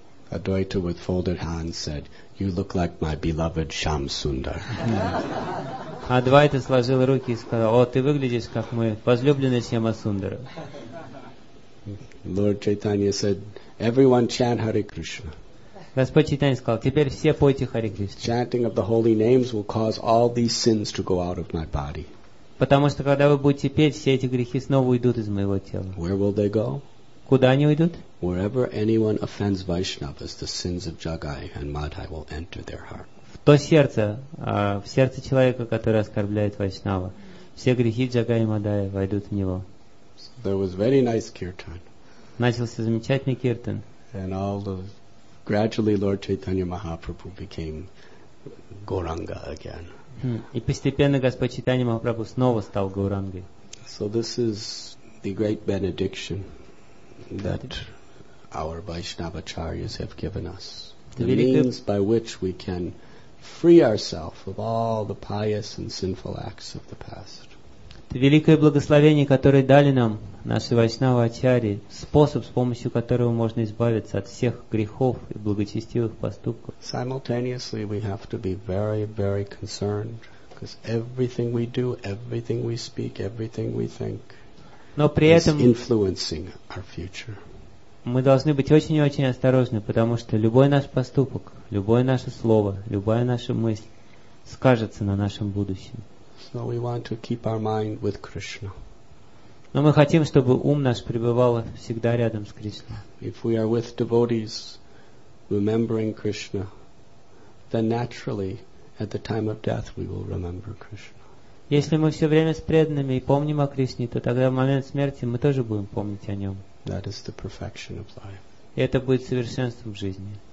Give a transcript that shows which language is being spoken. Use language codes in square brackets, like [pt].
[en] Adwaita with folded hands said, you look like my beloved Shamsundar. [ru] Адвайта сложил руки и сказал, о, ты выглядишь как мой возлюбленный Шамасундар. [en] Lord Chaitanya said, everyone chant Hare Krishna. [ru] Господь Чайтанья сказал, теперь все пойте Харе Кришна. [en] Chanting of the holy names will cause all these sins to go out of my body. [ru] Потому что когда вы будете петь, все эти грехи снова уйдут из моего тела. [en] Where will they go? [ru] Куда они уйдут? [en] Wherever anyone offends Vaishnavas, the sins of Jagai and Madhai will enter their heart. [ru] В то сердце, в сердце человека, который оскорбляет Вайшнава, все грехи Джагая и Мадая войдут в него. [en] So there was very nice kirtan. [ru] Начался замечательный киртан. [en] And all the gradually Lord Chaitanya Mahaprabhu became Gauranga again. [ru] И постепенно Господь Чайтанья Махапрабху снова стал Гаурангой. [en] So this is the great benediction that our Vaishnavacharyas have given us. The means by which we can free ourselves of all the pious and sinful acts of the past. [ru] Это великое благословение, которое дали нам наши Вайшнавачари, способ, с помощью которого можно избавиться от всех грехов и благочестивых поступков. [en] Simultaneously, we have to be very, very concerned, because everything we do, everything we speak, everything we think is influencing our future. [ru] Мы должны быть очень и очень осторожны, потому что любой наш поступок, любое наше слово, любая наша мысль скажется на нашем будущем. [en] So we want to keep our mind with Krishna. [ru] Но мы хотим, чтобы ум наш пребывал всегда рядом с Кришной. [en] If we are with devotees, remembering Krishna, then naturally, at the time of death, we will remember Krishna. [ru] Если мы все время с преданными и помним о Кришне, то тогда в момент смерти мы тоже будем помнить о нем. [en] That is the perfection of life. [ru] И это будет совершенством жизни.